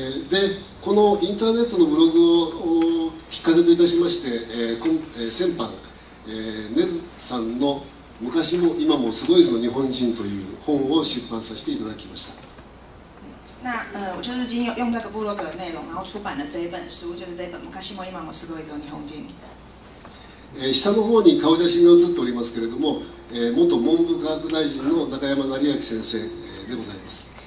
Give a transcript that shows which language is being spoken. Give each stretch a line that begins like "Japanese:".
Japanese: で、このインターネットのブログをきっかけといたしまして、先般、ネズさんの昔も今もすごいぞ日本人という本を出版させていただきました。
Chinese: 那我就是经由用这个部落格的内容，然后出版了这一本书，就是这一本昔も今もすごいぞ日本人。
Japanese: 下の方に顔写真が写っておりますけれども、元文部科学大臣の中山成明先生でございます。